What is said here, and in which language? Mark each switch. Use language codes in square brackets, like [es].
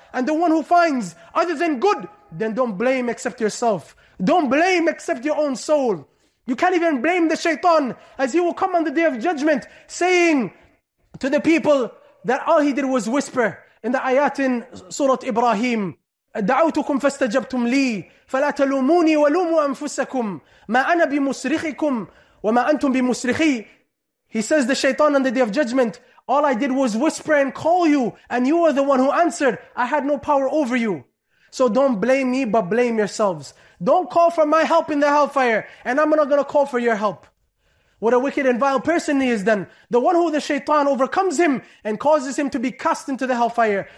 [en] And the one who finds other than good, then don't blame except yourself. Don't blame except your own soul. You can't even blame the shaitan, as he will come on the day of judgment saying to the people that all he did was whisper in the ayat in Surah Ibrahim. [ar] دعوتكم فاستجبتم لي فلا تلوموني ولوموا أنفسكم ما أنا بمسرخكم وما أنتم بمسرخي. [en] He says the shaitan on the day of judgment, all I did was whisper and call you, and you were the one who answered. I had no power over you. So don't blame me, but blame yourselves. Don't call for my help in the hellfire, and I'm not going to call for your help. What a wicked and vile person he is then. The one who the shaitan overcomes him and causes him to be cast into the hellfire.